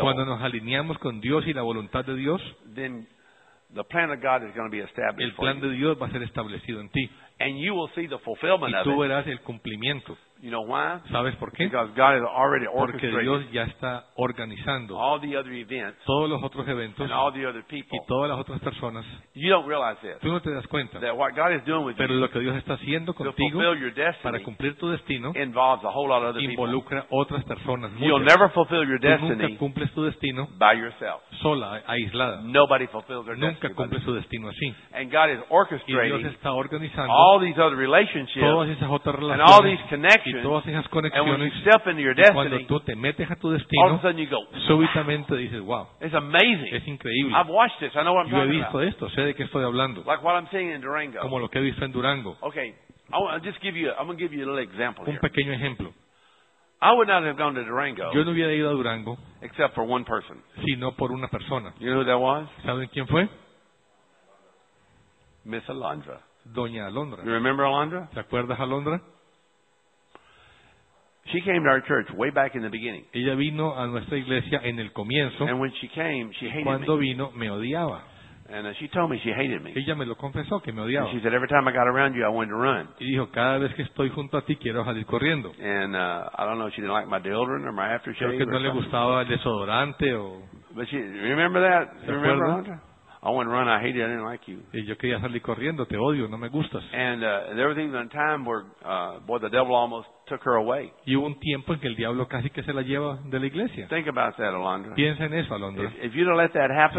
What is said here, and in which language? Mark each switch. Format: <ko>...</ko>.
<es>Cuando nos alineamos con Dios y la voluntad de Dios.</es> <en>Then the plan of God is going to be established.</en> <es>El plan de Dios va a ser establecido en ti.</es> <en>And you will see the fulfillment of it.</en> <es>Y tú verás el cumplimiento.</es> <en>You know why?</en> <es>¿Sabes por qué?</es> <en>Because God has already orchestrated.</en> <es>Porque Dios ya está organizando</es> <en>all the other events,</en> <es>todos los otros eventos,</es> <en>and all the other people.</en> <es>Y todas las otras personas.</es> <en>You don't realize this.</en> <es>Tú no te das cuenta.</es> <en>That what God is doing with</en> <es>pero</es> <en>you,</en> <es>lo que Dios está haciendo contigo para cumplir tu destino,</es> <en>involves a whole lot of other</en> <es>involucra</es> <en>people.</en> <es>Otras personas. Muchas.</es> <en>You'll never fulfill your destiny.</en> <es>Tú nunca cumples tu destino</es> <en>by yourself.</en> <es>Sola, aislada.</es> <en>Nobody fulfills their</en> <es>nunca</es> <en>destiny.</en> <es>Cumple su destino así.</es> <en>And God is orchestrating.</en> <es>Y Dios está organizando</es> <en>all these other relationships.</en> <es>Todas esas otras relaciones.</es> <en>And all these connections.</en> <es>Y todas esas conexiones,</es> <en>and when you step into your destiny,</en> <es>cuando tú te metes a tu destino,</es> <en>all of a sudden you go, wow.</en> <es>Súbitamente dices, wow.</es> <en>It's amazing.</en> <es>Es increíble.</es> <en>I've watched this. I know what I'm</en> <es>yo he visto</es> <en>about.</en> <es>Esto, sé de qué estoy hablando.</es> <en>Like what I'm seeing in Durango.</en> <es>Como lo que he visto en Durango.</es> <en>Okay. I'll just give you, I'm going to give you a little example</en> <es>un pequeño ejemplo.</es> <en>I would not have gone to Durango.</en> <es>Yo no hubiera ido a Durango.</es> <en>Except for one person.</en> <es>Sino por una persona.</es> <en>You know who that was?</en> <es>¿Saben quién fue?</es> <en>Miss Alondra.</en> <es>Doña Alondra.</es> <en>You remember Alondra?</en> <es>¿Te acuerdas Alondra?</es> <en>She came to our church way back in the beginning.</en> <es>Ella vino a nuestra iglesia en el comienzo.</es> <en>And when she came, she hated me.</en> <es>Cuando vino, me odiaba.</es> <en>And she told me she hated me.</en> <es>Ella me lo confesó que me odiaba.</es> <en>And she said every time I got around you, I wanted to run.</en> <es>Y dijo cada vez que estoy junto a ti quiero salir corriendo.</es> <en>And I don't know if she didn't like my deodorant or my aftershave.</en> <es>Creo que no le gustaba el desodorante o.</es> <en>But she remember that? Remember that? I went run. I hated. I didn't like you.</en> <es>Y yo quería salir corriendo. Te odio. No me gustas.</es> <en>And there was even a time where, boy, the devil almost took her away.</en> <es>Y hubo un tiempo en que el diablo casi que se la lleva de la iglesia.</es> <en>Think about that, Alondra.</en> <es>Piensa en eso, Alondra.</es> <en>If you'd have let that happen,</en>